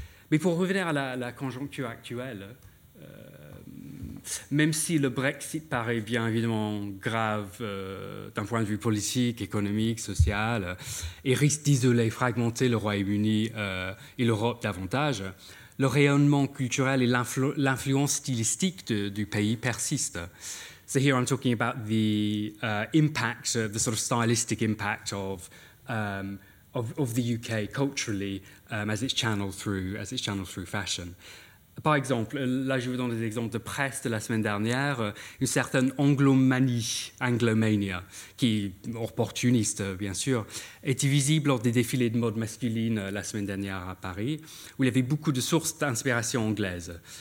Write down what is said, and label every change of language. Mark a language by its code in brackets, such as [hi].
[fr] Mais pour revenir à la conjoncture actuelle, même si le Brexit paraît bien évidemment grave d'un point de vue politique, économique, social, et risque d'isoler et fragmenter le Royaume-Uni et l'Europe davantage, le rayonnement culturel et l'influence stylistique du pays persistent. [en] So here I'm talking about the impact, the sort of stylistic impact of the UK culturally as it's channeled through fashion. [fr] Par exemple, là je vous donne des exemples de presse de la semaine dernière, une certaine anglomania, qui est opportuniste bien sûr, était visible lors des défilés de mode masculine la semaine dernière à Paris, où il y avait beaucoup de sources d'inspiration anglaise.